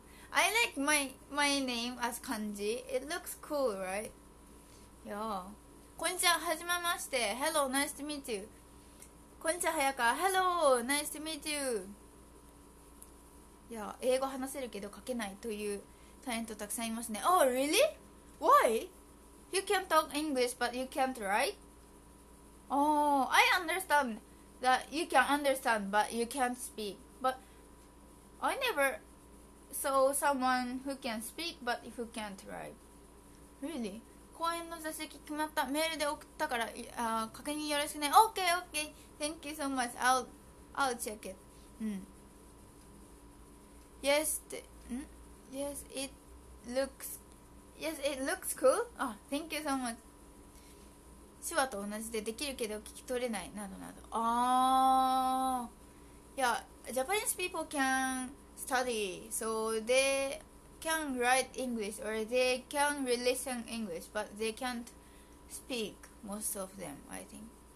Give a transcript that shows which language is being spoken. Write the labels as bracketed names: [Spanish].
[English] I like my name as kanji. It looks cool, right? Yeah. [Japanese] こんにちは、はじめまして。 [English] Hello, nice to meet you. [Japanese] こんにちは早香。 [English] Hello, nice to meet you. [Japanese] Yeah, 英語話せるけど書けないというタレントたくさんいますね。 [English] Oh, really? Why? You can talk English but you can't write? Oh, I understand that you can understand, but you can't speak. But I never saw someone who can speak, but who can't write. Really? [Japanese] 公演の座席決まった。メールで送ったから、確認よろしくね。 [English] Okay, okay. Thank you so much. I'll check it. Yes, it looks cool. Ah, thank you so much. [Japanese] 手話と同じでできるけど聞き取れないなどなど。 [English] あー、いや、Japanese people can study so they can write English or they can listen English but they can't speak most of them I think.